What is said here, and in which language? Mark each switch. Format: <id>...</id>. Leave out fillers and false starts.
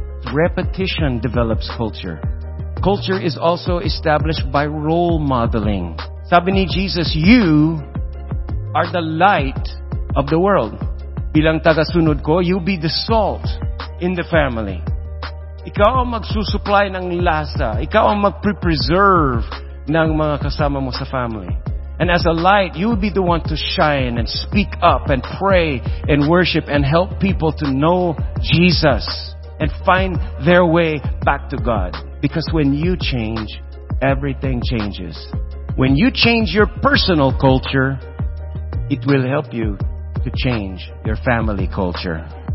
<en>Repetition develops culture. Culture is also established by role modeling.</en> <tl>Sabi ni</tl> <en>Jesus, you are the light of the world.</en> <tl>Bilang tagasunod ko,</tl> <en>you'll be the salt in the family.</en> <tl>Ikaw ang magsusupply ng lasa. Ikaw ang magpre-preserve ng mga kasama mo sa family.</tl> <en>And as a light, you'll be the one to shine and speak up and pray and worship and help people to know Jesus and find their way back to God. Because when you change, everything changes. When you change your personal culture, it will help you to change your family culture.</en>